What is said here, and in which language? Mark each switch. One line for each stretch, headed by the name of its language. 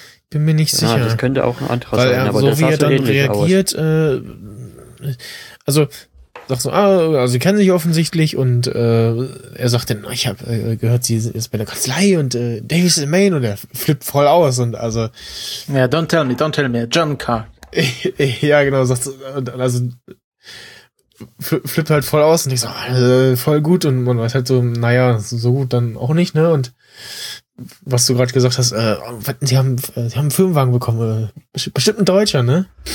German: Bin mir nicht sicher. Ja, das könnte auch ein anderer sein. Aber so wie er dann reagiert, sagt so, also sie kennen sich offensichtlich und er sagt dann, ich habe gehört, sie ist bei der Kanzlei und Davis ist in Maine und er flippt voll aus und also.
English: Ja, don't tell me, John Carr.
German: Ja, genau, sagt so, also flippt halt voll aus und ich so, voll gut und man weiß halt so, naja, so gut dann auch nicht, ne, und was du gerade gesagt hast, sie haben einen Firmenwagen bekommen, bestimmt ein Deutscher, ne?